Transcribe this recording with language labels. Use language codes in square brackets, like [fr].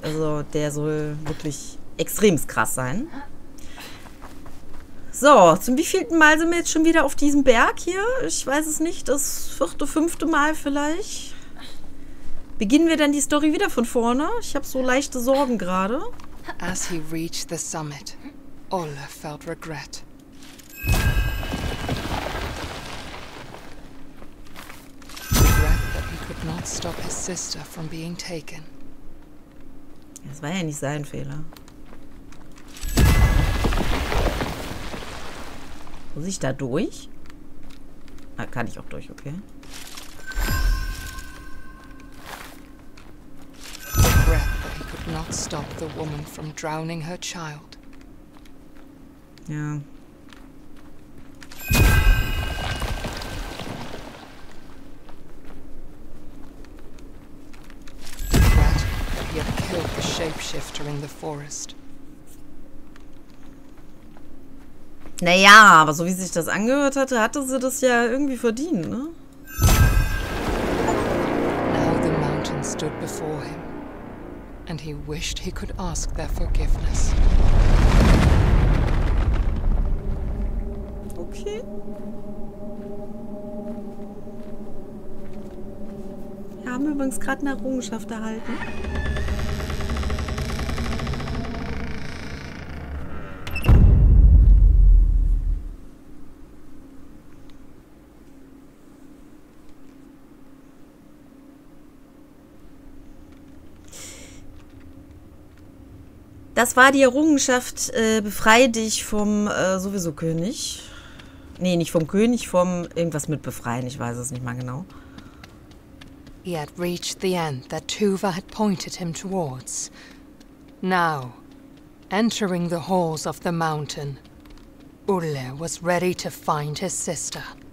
[de] Also der soll wirklich extremst krass sein. So, zum wievielten Mal sind wir jetzt schon wieder auf diesem Berg hier? Ich weiß es nicht, das vierte, fünfte Mal vielleicht. Beginnen wir dann die Story wieder von vorne? Ich habe so leichte Sorgen gerade. [en] As he reached the summit, Ole felt regret. Regret that he could not stop his sister from being taken. [de] Das war ja nicht sein Fehler. Muss ich da durch? Na, kann ich auch durch, okay. [en] Regret that he could not stop the woman from drowning her child. Ja. Regret that he had killed the shapeshifter in the forest. [de] Naja, aber so wie sich das angehört hatte, hatte sie das ja irgendwie verdient, ne? [en] Now the mountain stood before him, and he wished he could ask their forgiveness. [de] Okay. Wir haben übrigens gerade eine Errungenschaft erhalten. Das war die Errungenschaft, befreie dich vom sowieso König. Nee, nicht vom König, vom irgendwas mit befreien, ich weiß es nicht mal genau. [en] He had reached the end that Tuva had pointed him towards. Now, entering the halls of the mountain, Ulle was ready to find his sister.